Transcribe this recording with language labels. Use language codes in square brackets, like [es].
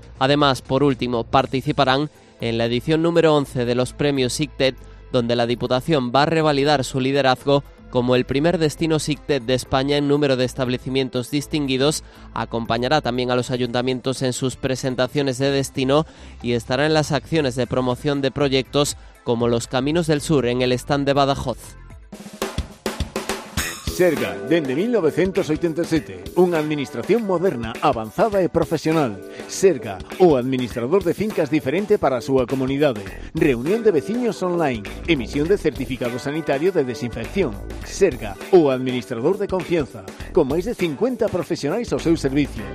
[es] Además, por último, participarán en la edición número 11 de los premios ICTED, donde la Diputación va a revalidar su liderazgo como el primer destino ICTED de España en número de establecimientos distinguidos, acompañará también a los ayuntamientos en sus presentaciones de destino y estará en las acciones de promoción de proyectos como los Caminos del Sur en el stand de Badajoz. [gl] Serga, dende 1987, unha administración moderna, avanzada e profesional. Serga, o administrador de fincas diferente para a súa comunidade. Reunión de veciños online, emisión de certificado sanitario de desinfección. Serga, o administrador de confianza, con máis de 50 profesionais ao seu servicio.